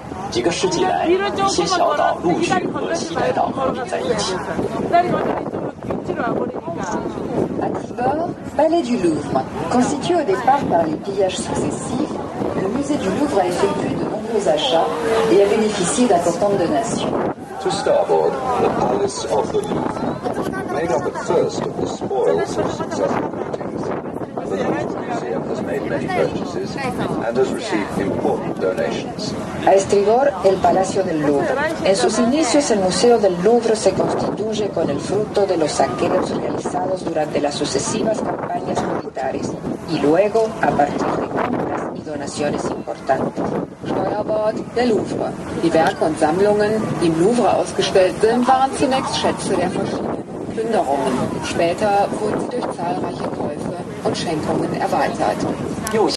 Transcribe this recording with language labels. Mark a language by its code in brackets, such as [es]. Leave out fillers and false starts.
[zh] 几个世纪来，一些小岛陆续和西呆岛合并在一起。 [fr] À Tribord, palais du Louvre. Constitué au départ par les pillages successifs, le musée du Louvre a effectué de nombreux achats et a bénéficié d'importantes donations. [en] To starboard, the palace of the Louvre, made up at first of the spoils of successive lootings. The Louvre Museum has made many purchases and has received important donations. [es] À Estribor, el Palacio del Louvre. En sus inicios, el Museo del Louvre se constituye con el fruto de los saqueos realizados durante las sucesivas campañas militares y luego a partir de compras y donaciones importantes. [de] Steuerbord del Louvre. Die Werke und Sammlungen, die im Louvre ausgestellt sind, waren zunächst Schätze der verschiedenen Plünderungen. Später wurden sie durch zahlreiche Käufe und Schenkungen erweitert.